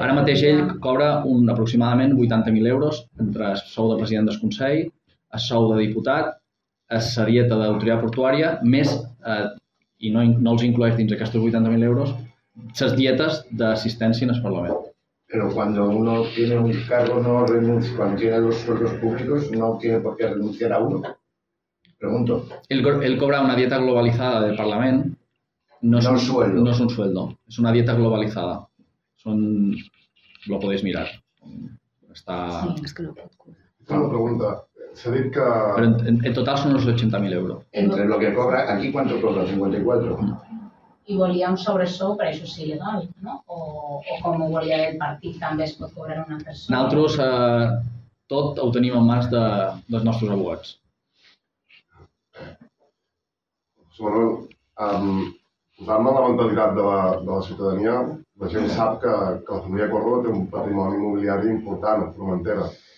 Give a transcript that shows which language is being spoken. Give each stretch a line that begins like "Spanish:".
Catalan: Ara mateix ell cobra un aproximadament 80.000 euros entre el sou de president del Consell, el sou de diputat, la dieta de l'autoritat portuària, més, i no els inclueix dins aquests 80.000 euros, les dietes d'assistència en el Parlament.
Spanish: Pero cuando uno tiene un cargo, no renuncia, cuando tiene los sueldos públicos, no tiene por qué renunciar a uno. Pregunto. Él cobra una dieta globalizada del Parlamento. No es un sueldo. No es un sueldo. Es una dieta globalizada. Son, lo podéis mirar. Está... Sí, es que no puedo cobrar. Una pregunta. Se dice que... Pero en total son unos 80.000 euros. Entre lo que cobra, aquí cuánto cobra, 54. Mm.
Catalan: I volia un sobresou, però això és il·legal, no? O com ho volia el partit, també es pot cobrar una persona? Nosaltres tot ho tenim en mans dels nostres abogats. Sobretot, posant-me la mentalitat de la ciutadania, la gent sap que la família Córdoba té un patrimoni immobiliari important, a Formentera.